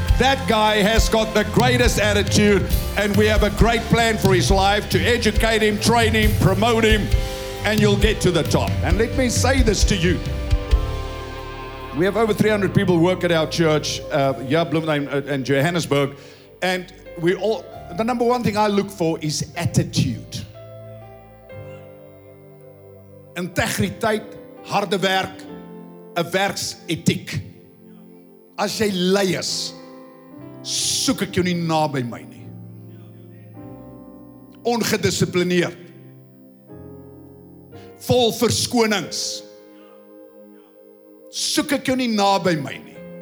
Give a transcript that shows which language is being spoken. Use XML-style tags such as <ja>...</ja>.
<en>That guy has got the greatest attitude, and we have a great plan for his life to educate him, train him, promote him, and you'll get to the top. And let me say this to you. We have over 300 people work at our church, and Johannesburg, and we all, the number one thing I look for is attitude.</en> <af>Integriteit, harde werk, a werksethiek. As jy lei is, soek ek jou nie na by my nie. Ongedisciplineerd. Vol verskonings. Soek ek jou nie na by my nie.</af>